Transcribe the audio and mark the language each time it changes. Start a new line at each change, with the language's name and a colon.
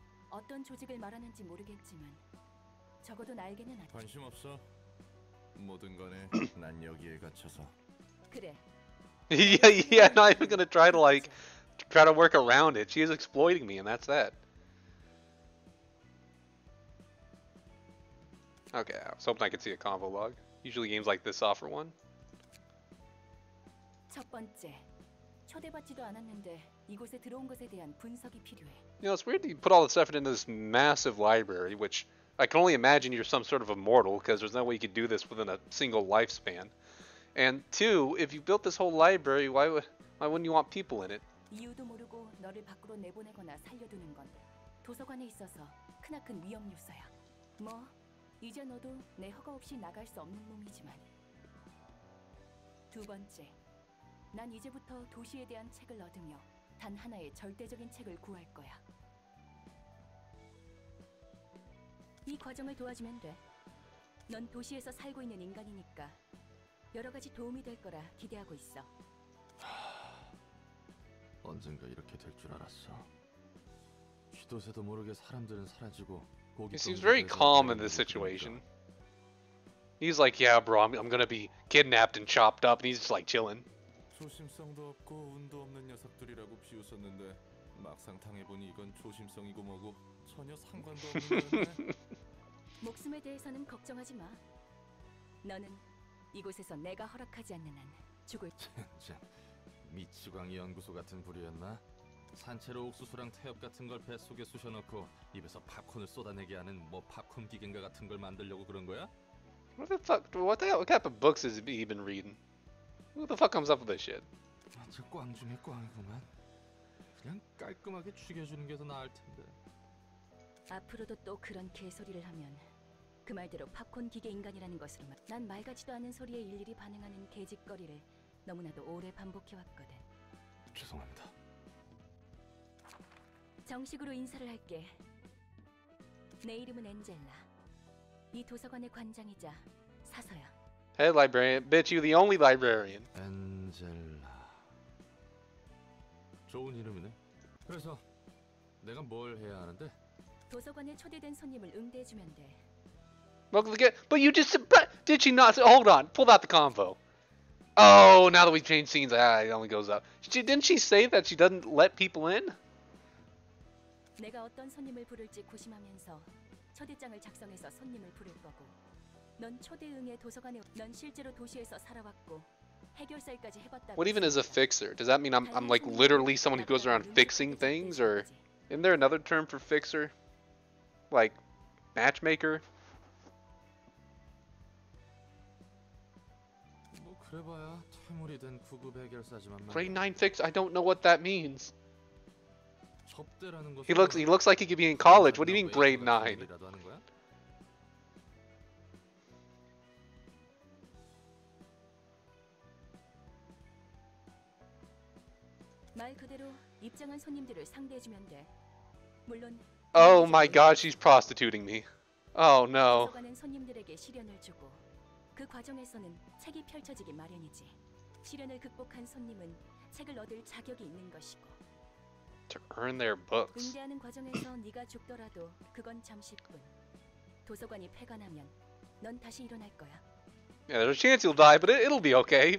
Korean: 어떤 조직을 말하는지 모르겠지만 적어도 나에게는 아직 관심 없어. 모든 건에 난 여기에 갇혀서 그래.
English: Yeah, I'm not even gonna try to like try to work around it. She is exploiting me, and that's that. Okay, I was hoping I could see a convo log. Usually games like this offer one.
Korean: 첫 번째, 초대받지도 않았는데 이곳에 들어온 것에 대한 분석이 필요해.
English: You know, it's weird you put all this effort into this massive library, which I can only imagine you're some sort of immortal, because there's no way you could do this within a single lifespan. And two, if you built this whole library, why wouldn't you want people in it?
Korean: 이유도 모르고 너를 밖으로 내보내거나 살려두는 건 도서관에 있어서 크나큰 위험 요소야. 뭐, 이제 너도 내 허가 없이 나갈 수 없는 놈이지만. 두 번째, 난 이제부터 도시에 대한 책을 얻으며 단 하나의 절대적인 책을 구할 거야. 이 과정을 도와주면 돼. 넌 도시에서 살고 있는 인간이니까 여러 가지 도움이 될 거라 기대하고 있어. 언젠가 이렇게 될 줄 알았어. 쥐도새도 모르게 사람들은 사라지고 고기.
English: He seems very calm in this situation. He's like, yeah, bro, I'm gonna be kidnapped and chopped up, and he's just like chilling.
Korean: 조심성도 없고 운도 없는 녀석들이라고 비웃었는데 막상 당해보니 이건 조심성이고 뭐고 전혀 상관도 없는데. 목숨에 대해서는 걱정하지 마. 너는 이곳에서 내가 허락하지 않는 한 죽을. 젠장 미치광이 연구소 같은 부류였나? 산채로 옥수수랑 태엽 같은 걸 뱃속에 쑤셔넣고 입에서 팝콘을 쏟아내게 하는 뭐 팝콘 기계인가 같은 걸 만들려고 그런 거야?
English: What the fuck? What the hell? What type of books has he been reading? Who the fuck comes up with this shit?
Korean: 아, 저 꽝 중에 꽝이구만. 그냥 깔끔하게 죽여주는 게 더 나을 텐데. 앞으로도 또 그런 개소리를 하면 그 말대로 팝콘 기계 인간이라는 것으로 말. 난 말 같지도 않은 소리에 일일이 반응하는 개짓거리를 너무나도 오래 반복해 왔거든. 죄송합니다. 정식으로 인사를 할게. 내 이름은 엔젤라. 이 도서관의 관장이자 사서야.
English: Hey, librarian. Bitch, you the only librarian.
Korean: 엔젤라. 좋은 이름이네. 그래서 내가 뭘 해야 하는데? 도서관에 초대된 손님을 응대해 주면 돼.
English: But you just... But did she not say... Hold on. Pull out the convo. Oh, now that we've changed scenes, it only goes up. Didn't she say that she doesn't let people in?
Korean: 내가 어떤 손님을 부를지 고심하면서 초대장을 작성해서 손님을 부를 거고 넌 초대응의 도서관에 넌 실제로 도시에서 살아왔고 해결사일까지 해봤다.
English: What even is a fixer? Does that mean I'm like literally someone who goes around fixing things? Or isn't there another term for fixer? Like matchmaker?
Korean: 그래봐야 퇴물이 된 구급 해결사지만 말이야.
English: Grade 9 fix? I don't know what that means. He looks like he could be in college. What do you mean grade 9?
Korean: 말 그대로 입장한 손님들을 상대해주면 돼. 물론.
English: Oh my God, she's prostituting me. Oh no.
Korean: 도서관은 손님들에게 시련을 주고 그 과정에서는 책이 펼쳐지기 마련이지. 시련을 극복한 손님은 책을 얻을 자격이 있는 것이고.
English: To earn their books.
Korean: 응대하는 과정에서 네가 죽더라도 그건 잠시뿐. 도서관이 폐관하면 넌 다시 일어날 거야.
English: Yeah, there's a chance you'll die, but it'll be okay.